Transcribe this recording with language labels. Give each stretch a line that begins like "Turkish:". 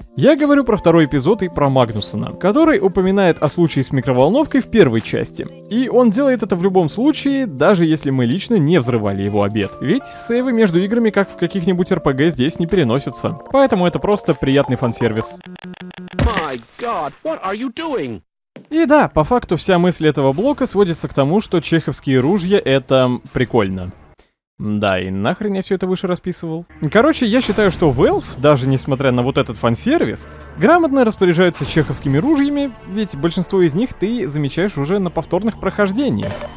Russian: Я говорю про второй эпизод и про Магнусона, который упоминает о случае с микроволновкой в первой части. И он делает это в любом случае, даже если мы лично не взрывали его обед. Ведь сейвы между играми, как в каких-нибудь RPG, здесь не переносятся. Поэтому это просто приятный фансервис.
English: My God, what are you doing?
Russian: И да, по факту вся мысль этого блока сводится к тому, что чеховские ружья — это прикольно. Да, и нахрен я все это выше расписывал. Короче, я считаю, что Valve, даже несмотря на вот этот фан-сервис, грамотно распоряжаются чеховскими ружьями, ведь большинство из них ты замечаешь уже на повторных прохождениях.